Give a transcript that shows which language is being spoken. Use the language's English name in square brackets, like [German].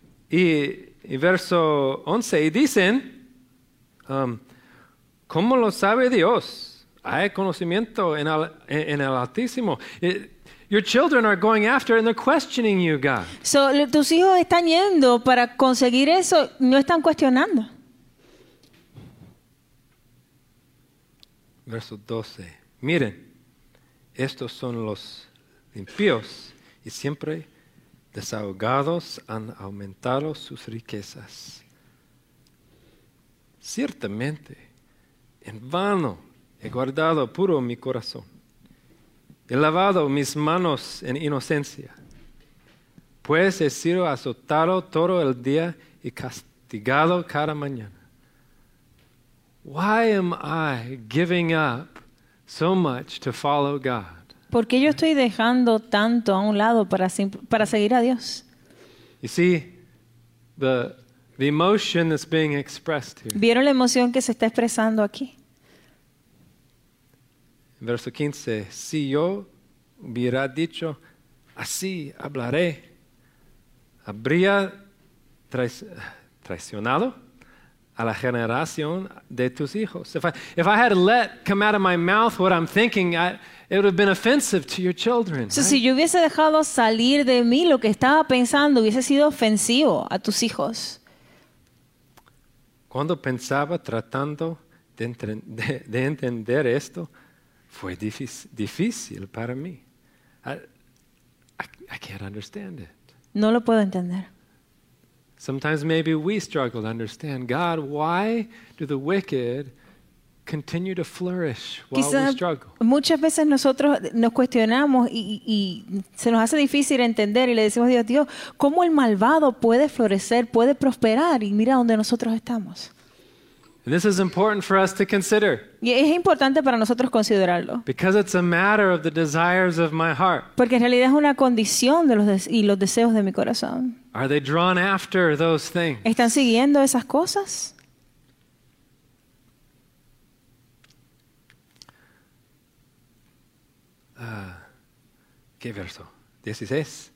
[Spanish] Y verso 11, y dicen, ¿cómo lo sabe Dios? Hay conocimiento en el Altísimo. [English] Your children are going after and they're questioning you, God. [Spanish] So, tus hijos están yendo para conseguir eso, no están cuestionando. Verso 12. Miren, estos son los impíos y siempre desahogados han aumentado sus riquezas. Ciertamente, en vano he guardado puro mi corazón. He lavado mis manos en inocencia. Pues he sido azotado todo el día y castigado cada mañana. [English] Why am I giving up so much to follow God? [Spanish] ¿Por qué yo estoy dejando tanto a un lado para seguir a Dios? [English] You see, the emotion that's being expressed here. [Spanish] ¿Vieron la emoción que se está expresando aquí? Verso 15, si yo hubiera dicho, así hablaré, habría traicionado a la generación de tus hijos. [English] If I had let come out of my mouth what I'm thinking, it would have been offensive to your children. [Spanish] So, si yo hubiese dejado salir de mí lo que estaba pensando, hubiese sido ofensivo a tus hijos. Cuando pensaba tratando de entender esto, fue difícil para mí. [English] I can't understand it. [Spanish] No lo puedo entender. [English] Sometimes maybe we struggle to understand. God, why do the wicked continue to flourish while [Spanish] quizás [English] we struggle? [Spanish] Muchas veces nosotros nos cuestionamos y se nos hace difícil entender y le decimos a Dios, Dios, ¿cómo el malvado puede florecer, puede prosperar? Y mira donde nosotros estamos. [English] And this is important for us to consider. [Spanish] Y es importante para nosotros considerarlo. [English] Because it's a matter of the desires of my heart. [Spanish] Porque en realidad es una condición de los deseos de mi corazón. [English] Are they drawn after those things? [Spanish] ¿Están siguiendo esas cosas? ¿Qué verso? 16.